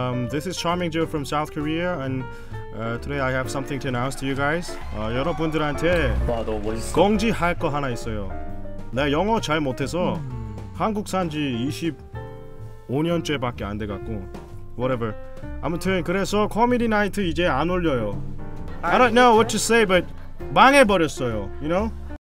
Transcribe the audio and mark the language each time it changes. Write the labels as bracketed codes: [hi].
[en] This is Charming Joe from South Korea, and today I have something to announce to you guys. [ko] 여러분들한테 공지할 거 하나 있어요. 나 영어 잘 못해서 한국 산 지 25년째밖에 안 돼갖고, whatever. 아무튼 그래서 코미디 나이트 이제 안 올려요. [en] I don't know what to say, but [ko] 망해버렸어요, [en] you know?